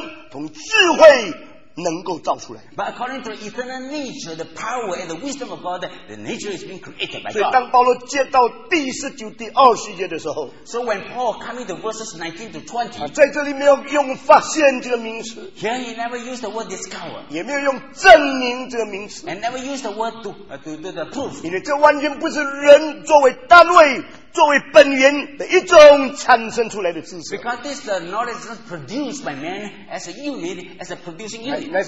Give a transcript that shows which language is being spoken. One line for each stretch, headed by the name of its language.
Chinese: 它是按照神的永恒，它的全能同智慧能够造出来。
English: But according to the eternal nature, the power and the wisdom of God, the nature is being created by God.
Chinese: 所以当保罗接到第19、第20节的时候，
English: So when Paul coming to verses 19 to 20,
Chinese: 在这里没有用发现这个名词，
English: Here he never used the word discover.
Chinese: 也没有用证明这个名词，
English: And never used the word to the proof.
Chinese: 因为这完全不是人作为单位， 作为本源的一种产生出来的知识。
English: Because this knowledge is produced by man as a unit, as a producing unit.